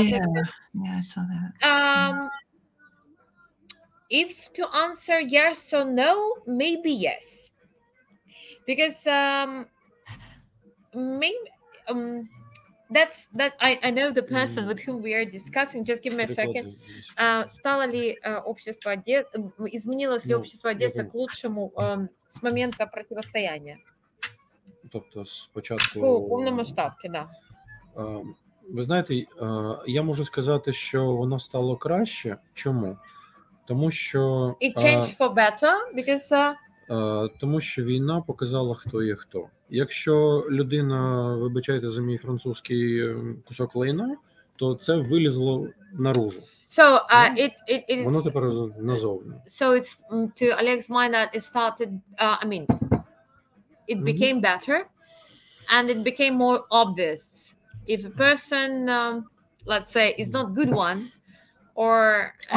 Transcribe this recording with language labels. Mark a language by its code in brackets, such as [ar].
[en] Yeah, I saw that. If to answer yes or no, maybe yes. Because I know the person with whom we are discussing. Just give me a second. [ru] Стало ли общество Одесса, изменилось ли общество Одесса к лучшему с момента противостояния? [uk] Тобто спочатку повномасштабки, да. Ви знаєте, я можу сказати, що воно стало краще. Чому? Тому що [en] it changed for better because [uk] тому що війна показала, хто є хто. Якщо людина, вибачайте за мій французький кусок лайна, то це вилізло наружу. [en] So it [uk] воно тепер назовні. [en] So it's to Alex's mind that it started it became better and it became more obvious. If a person, let's say, is not good one or...